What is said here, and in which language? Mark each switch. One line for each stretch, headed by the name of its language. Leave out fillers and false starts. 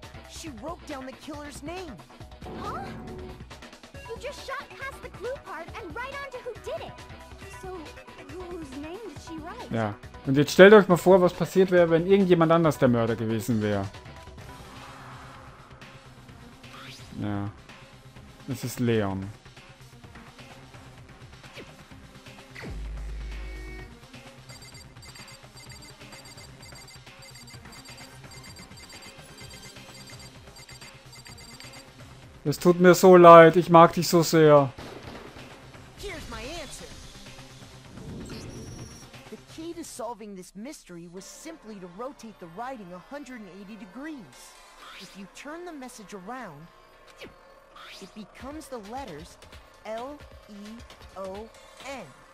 English: She wrote down the killer's name. Huh? You just shot past the clue part and right onto who did it. So, whose name did she write?
German: Ja. Und jetzt stellt euch mal vor, was passiert wäre, wenn irgendjemand anders der Mörder gewesen wäre. Ja. Es ist Leon. Es tut mir so leid, ich mag dich so sehr.
English: Here's my answer. The key to solving this mystery was simply to rotate the writing 180 degrees. If you turn the message around, it becomes the letters L-E-O-N.